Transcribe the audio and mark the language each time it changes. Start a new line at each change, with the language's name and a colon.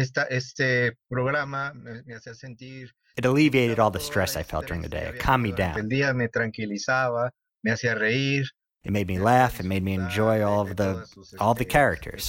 Spanish: Este programa me hacía sentir.
English: It alleviated all the stress I felt during the day. It calmed me down.
Spanish: El día me tranquilizaba, me hacía reír.
English: It made me laugh. It made me enjoy all the characters.